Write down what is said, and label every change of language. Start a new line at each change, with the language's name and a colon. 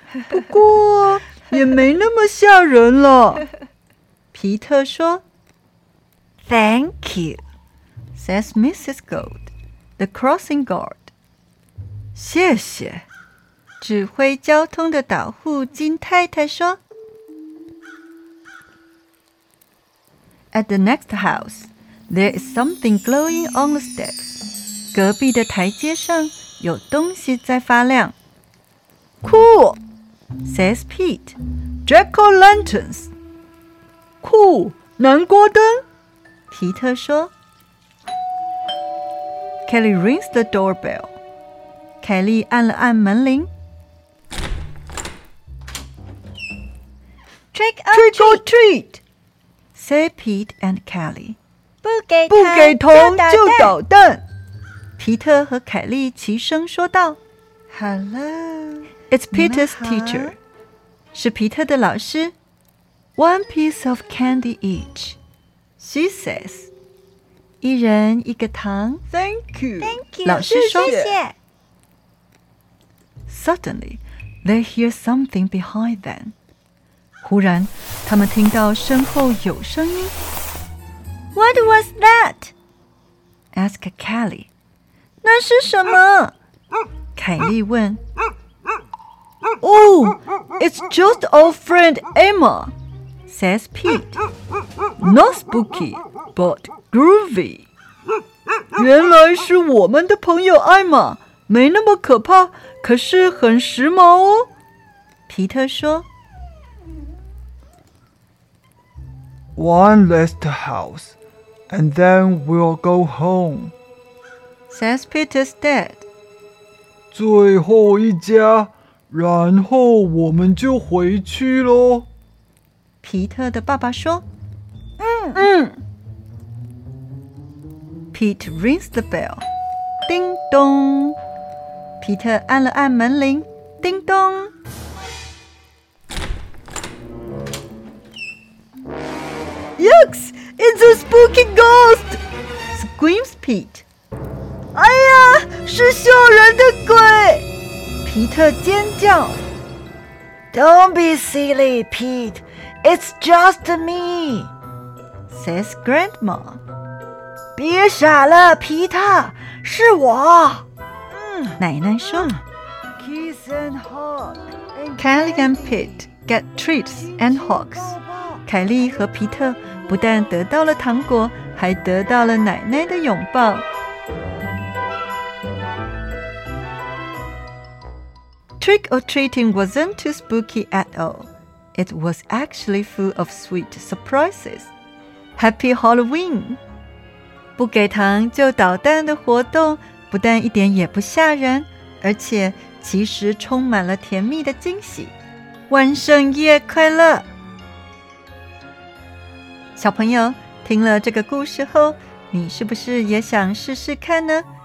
Chinese: 不过也没那么吓人了。皮特说。
English: Thank you, says Mrs. Gold. the crossing guard.
Chinese: 谢谢，指挥交通的导护金太太说。
English: At the next house, there is something glowing on the steps.
Chinese: 隔壁的台阶上有东西在发亮。
English: Cool, says Pete. Jack-o'-lanterns. Cool,
Chinese: 南瓜灯。皮特说。
English: Kelly rings the doorbell.
Chinese: 凯莉按了按门铃。
English: Trick or treat, say Pete and Kelly.
Chinese: 不给糖就捣蛋。皮特和凯莉齐声说道。
English: Hello, it's Peter's teacher.
Chinese: 是皮特的老师。
English: One piece of candy each, she says.
Chinese: 一人一个糖。
English: Thank you.
Chinese: 老师说。谢谢。
English: Suddenly, they hear something behind them.
Chinese: 忽然，他们听到身后有声音。
English: What was that? Ask Kelly.
Chinese: 那是什么？凯莉问。
English: Oh, it's just our friend Emma, says Pete. Not spooky, but groovy.
Chinese: 原来是我们的朋友艾玛，没那么可怕，可是很时髦哦。皮特说。
English: One last house, and then we'll go home, says Peter's dad.
Chinese: 最后一家，然后我们就回去咯。皮特的爸爸说。
English: Pete rings the bell. Ding dong.
Chinese: Peter 按了按门铃.
English: Ding dong. Yucks! It's a spooky ghost! Screams Pete.
Chinese: 哎呀，是吓人的鬼！ Peter 尖叫.
English: Don't be silly, Pete. It's just me, says Grandma.
Chinese: 别傻了，皮特，是我。奶奶说。
English: Kiss and hug. Kelly and Pete get treats and hugs.
Chinese: 凯莉和皮特不但得到了糖果，还得到了奶奶的拥抱。
English: Trick or treating wasn't too spooky at all. It was actually full of sweet surprises. Happy Halloween!
Chinese: 不给糖就捣蛋的活动不但一点也不吓人，而且其实充满了甜蜜的惊喜。万圣夜快乐！小朋友，听了这个故事后，你是不是也想试试看呢？